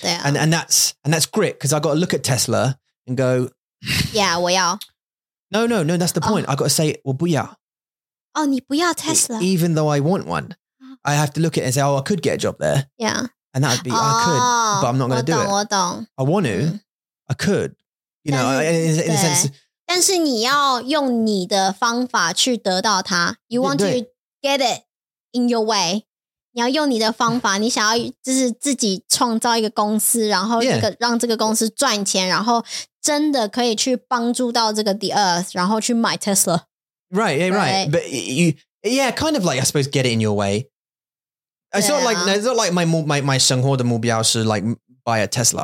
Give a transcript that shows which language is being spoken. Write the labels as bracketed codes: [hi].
[en] And that's grit, because I've got to look at Tesla and go. [zh] Yeah, 我要. [en] No, that's the point. I've got to say, 我不要. [zh] Oh, 你不要 Tesla. [en] Even though I want one, I have to look at it and say, oh, I could get a job there. Yeah. And that would be, I could, but I'm not going to do it. [zh] 我懂. [en] I want to, I could. You know, in a sense. [zh] 但是你要用你的方法去得到它. [en] You want to get it in your way. [zh] 你要用你的方法, 你想要就是自己创造一个公司, 然后让这个公司赚钱, 然后真的可以去帮助到这个 [en] the earth, [zh] 然后去买 Tesla. [en] Right, yeah, right. But you, yeah, kind of like, I suppose, get it in your way. It's not like, no, it's not like my [zh] 生活的目标是 [en] like buy a Tesla.